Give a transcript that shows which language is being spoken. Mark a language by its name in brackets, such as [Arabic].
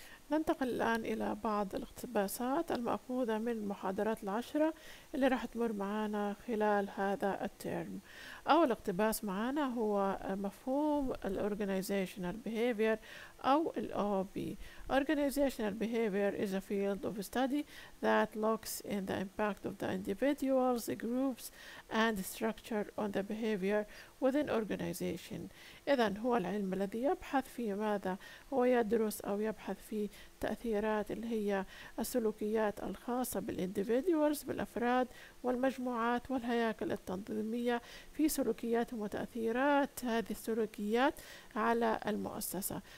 [Arabic] ننتقل الآن إلى بعض الاقتباسات المأخوذة من المحاضرات العشرة اللي راح تمر معانا خلال هذا الترم. أول اقتباس معانا هو مفهوم الـ organizational behavior أو الـ OB. [English] organizational behavior is a field of study that looks in the impact of the individuals, the groups, and the structure on the behavior within organization. [Arabic] إذن هو العلم الذي يبحث في ماذا؟ هو يدرس أو يبحث في تأثيرات اللي هي السلوكيات الخاصة بالindividuals، بالأفراد والمجموعات والهياكل التنظيمية، في سلوكياتهم وتأثيرات هذه السلوكيات على المؤسسة.